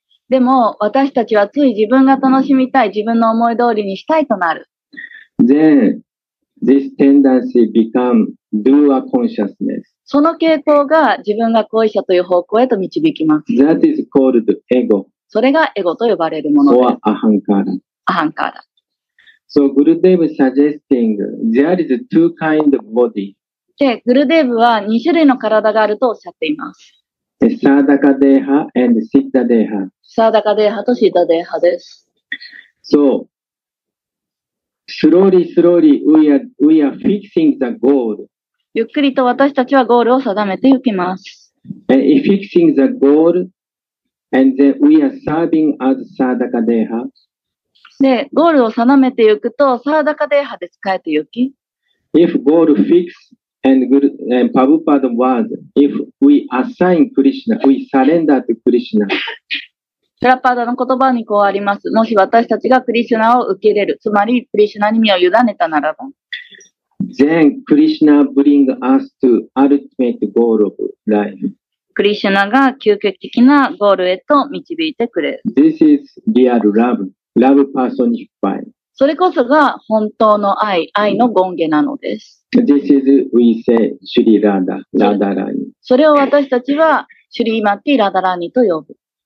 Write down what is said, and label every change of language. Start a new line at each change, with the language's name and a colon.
Japanese: でも私たちはつい自分が楽しみたい、自分の思い通りにしたいとなる。
English: Then,This tendency become dual consciousness.
Japanese: その傾向が自分が行為者という方向へと導きます。
English: That is called ego.
Japanese: それがエゴと呼ばれるものです。
English: Or ahankara. Ahankara. So Gurudev suggesting there is two kind of body.
Japanese: で、グルデーブは2種類の体があるとおっしゃっています。
English: Sadaka deha and Siddha deha.
Japanese: Sadaka deha と Siddha deha です。
English: So,Slowly, slowly, we are fixing the goal.
Japanese: ゆっくりと私たちはゴールを定めていきます。
English: And fixing the goal, and then we are serving as Sadaka Deha.
Japanese: で、ゴールを定めていくと、Sadaka Deha で使えていき。
English: If goal fixed and good, and Prabhupada word, if we assign Krishna, we surrender to Krishna.
Japanese: プラパーダの言葉にこうあります。もし私たちがクリシュナを受け入れる、つまりクリシュナに身を委ねたならば。
English: Then Krishna bring us to ultimate goal of life.
Japanese: クリシュナが究極的なゴールへと導いてくれる。
English: This is real love, love personified.
Japanese: それこそが本当の愛、愛の権化なのです。
English: This is we say Shri Radha, Radharani.
Japanese: それを私たちはシュリーマティ・ラダラーニと呼ぶ。